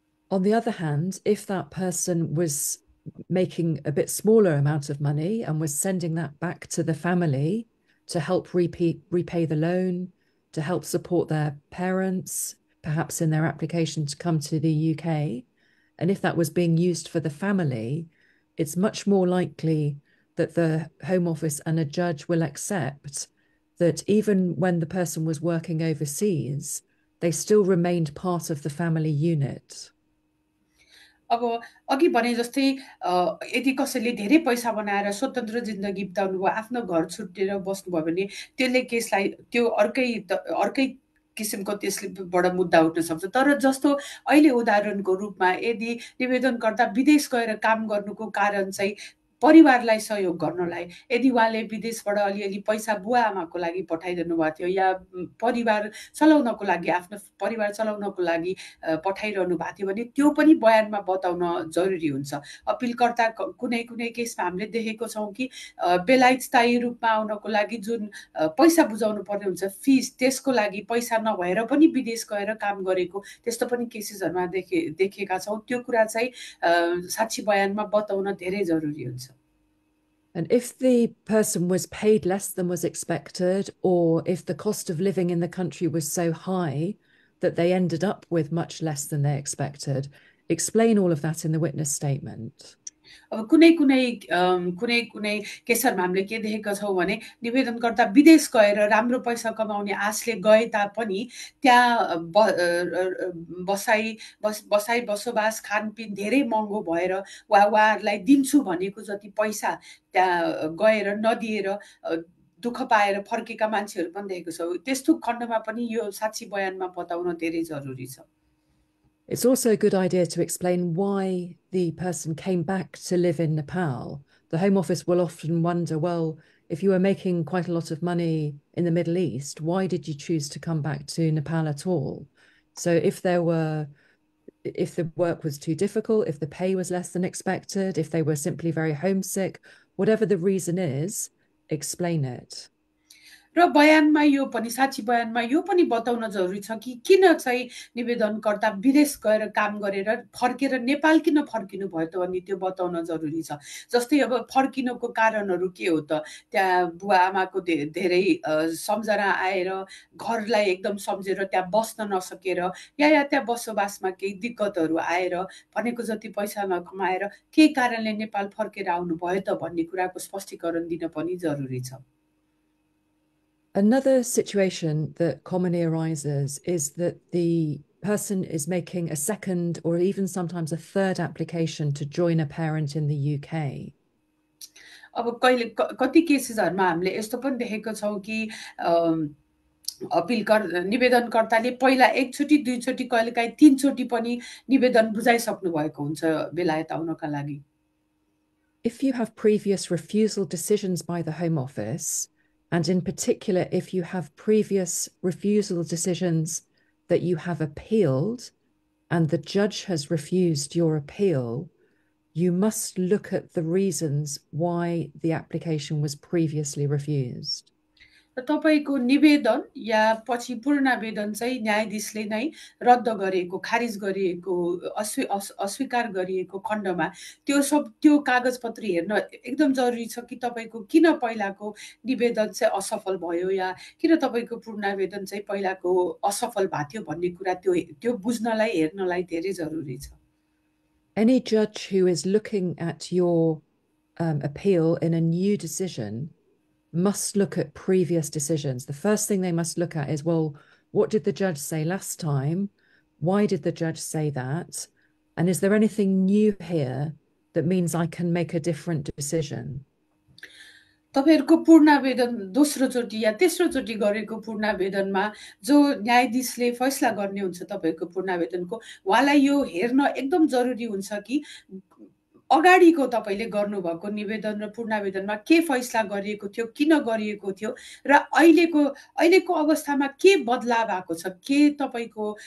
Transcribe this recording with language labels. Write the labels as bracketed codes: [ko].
[en] On the other hand, if that person was making a bit smaller amount of money and was sending that back to the family to help repay the loan, to help support their parents, perhaps in their application to come to the UK, and if that was being used for the family, it's much more likely that the Home Office and a judge will accept that even when the person was working overseas, they still remained part of the family unit. [ne] अब अघि भने जस्तै यदि कसैले धेरै पैसा बनाएर स्वतन्त्र जिन्दगी बिताउनु भयो, आफ्नो घर छुट्टेर बस्नुभयो भने त्यसले केसलाई त्यो अर्कै अर्कै किसिमको त्यसले बडा मुद्दा उठ्न सक्छ। तर जस्तो अहिले उदाहरणको रूपमा यदि निवेदनकर्ता विदेश गएर काम गर्नुको कारण चाहिँ परिवारलाई सहयोग गर्नलाई, यदि उहाँले विदेशबाट अलिअलि पैसा बुवा आमाको लागि पठाइरहनु भएको थियो या परिवार चलाउनको लागि, आफ्नो परिवार चलाउनको लागि पठाइरहनु भएको थियो भने त्यो पनि बयानमा बताउन जरुरी हुन्छ। अपिलकर्ता कुनै कुनै केसमा हामीले देखेको छौँ कि बेलायत स्थायी रूपमा आउनको लागि जुन पैसा बुझाउनु पर्ने हुन्छ फिस, त्यसको लागि पैसा नभएर पनि विदेश गएर काम गरेको त्यस्तो पनि केसेसहरूमा देखेका छौँ। त्यो कुरा चाहिँ साक्षी बयानमा बताउन धेरै जरुरी हुन्छ। [en] And if the person was paid less than was expected, or if the cost of living in the country was so high that they ended up with much less than they expected, explain all of that in the witness statement. [ne] अब कुनै कुनै केसहरूमा हामीले के देखेका छौँ भने निवेदनकर्ता विदेश गएर राम्रो पैसा कमाउने आशले गए तापनि त्यहाँ बसाइ बसोबास खानपिन धेरै महँगो भएर वा उहाँहरूलाई दिन्छु भनेको जति पैसा त्यहाँ गएर नदिएर दुःख पाएर फर्केका मान्छेहरू पनि देखेको छौँ। त्यस्तो खण्डमा पनि यो साक्षी बयानमा बताउन धेरै जरुरी छ। [en] It's also a good idea to explain why the person came back to live in Nepal. The Home Office will often wonder, well, if you were making quite a lot of money in the Middle East, why did you choose to come back to Nepal at all? So if the work was too difficult, if the pay was less than expected, if they were simply very homesick, whatever the reason is, explain it. [ne] र बयानमा यो पनि साक्षी बयानमा यो पनि बताउन जरुरी छ कि किन चाहिँ निवेदनकर्ता विदेश गएर काम गरेर फर्केर नेपाल किन फर्किनु भयो त भन्ने त्यो बताउन जरुरी छ। जस्तै अब फर्किनुको कारणहरू के हो त, त्यहाँ बुवा आमाको धेरै सम्झना आएर घरलाई एकदम सम्झेर त्यहाँ बस्न नसकेर या त्यहाँ बसोबासमा केही दिक्कतहरू आएर भनेको जति पैसा नकमाएर केही कारणले नेपाल फर्केर आउनु भयो त भन्ने कुराको स्पष्टीकरण दिन पनि जरुरी छ। [en] Another situation that commonly arises is that the person is making a second or even sometimes a third application to join a parent in the UK. [ne] अब कहिले कति केसेसहरूमा हामीले यस्तो पनि देखेको छौँ कि अपिल कर निवेदनकर्ताले पहिला एकचोटि दुईचोटि कहिलेकाहीँ तिनचोटि पनि निवेदन बुझाइसक्नु भएको हुन्छ बेलायत आउनका लागि। [en] If you have previous refusal decisions by the Home Office, And in particular, if you have previous refusal decisions that you have appealed, and the judge has refused your appeal, you must look at the reasons why the application was previously refused. [ne] तपाईँको निवेदन या पछि पूर्ण आवेदन चाहिँ न्यायाधीशले नै रद्द गरिएको, खारिज गरिएको, अस्वीकार गरिएको खण्डमा त्यो सब त्यो कागजपत्र हेर्न एकदम जरुरी छ कि तपाईँको किन पहिलाको निवेदन चाहिँ असफल भयो या किन तपाईँको पूर्ण आवेदन चाहिँ पहिलाको असफल भएको थियो भन्ने कुरा त्यो त्यो बुझ्नलाई हेर्नलाई धेरै जरुरी छ। [en] Any judge who is looking at your appeal in a new decision must look at previous decisions. The first thing they must look at is, well, what did the judge say last time? Why did the judge say that? And is there anything new here that means I can make a different decision? [ne] तपाईँहरूको पूर्ण आवेदन दोस्रो चोटि या तेस्रो चोटि गरेको पूर्ण आवेदनमा जो न्यायाधीशले फैसला गर्ने हुन्छ तपाईँको पूर्ण आवेदनको, उहाँलाई यो हेर्न एकदम जरुरी हुन्छ कि अगाडिको तपाईँले गर्नुभएको निवेदन र पूर्ण आवेदनमा के फैसला गरिएको थियो, किन गरिएको थियो र अहिलेको अहिलेको अवस्थामा के बदलाव आएको छ, के तपाईँको